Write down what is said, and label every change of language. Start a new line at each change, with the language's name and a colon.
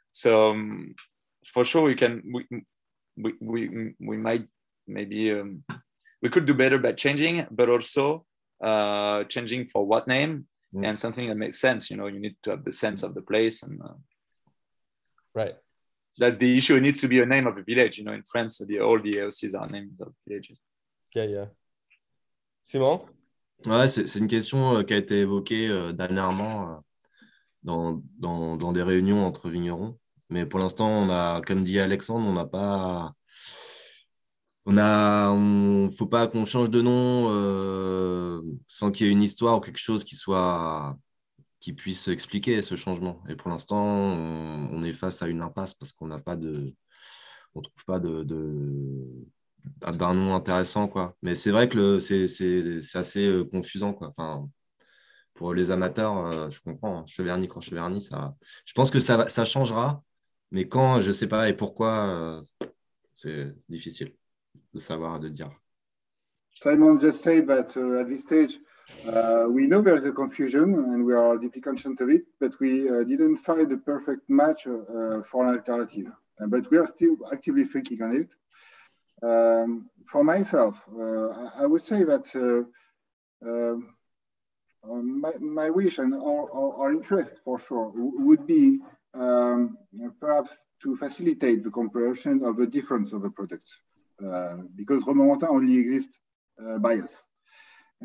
English: So for sure, we could do better by changing, but also changing for what name and something that makes sense. You know, you need to have the sense of the place, and right. That's the issue. It needs to be a name of a village. You know, in France, all the AOCs are names of villages. Yeah, yeah. Simon?
French: Ouais, c'est une question qui a été évoquée dernièrement dans des réunions entre vignerons. Mais pour l'instant, on a, comme dit Alexandre, faut pas qu'on change de nom sans qu'il y ait une histoire ou quelque chose qui puisse expliquer ce changement. Et pour l'instant, on est face à une impasse parce qu'on n'a pas de, on trouve pas d'un nom intéressant, quoi. Mais c'est vrai que c'est assez confusant, quoi. Enfin, pour les amateurs, je comprends. Hein. Cheverny, Cour-Cheverny, ça. Je pense que ça changera, mais quand, je sais pas, et pourquoi, c'est difficile de savoir, de dire.
English: Simon just said that at this stage, we know there is a confusion and we are deeply conscious of it, but we didn't find the perfect match for an alternative. But we are still actively thinking on it. For myself, I would say that my wish and our interest, for sure, would be perhaps to facilitate the comparison of the difference of the products, because Romorantin only exists by us.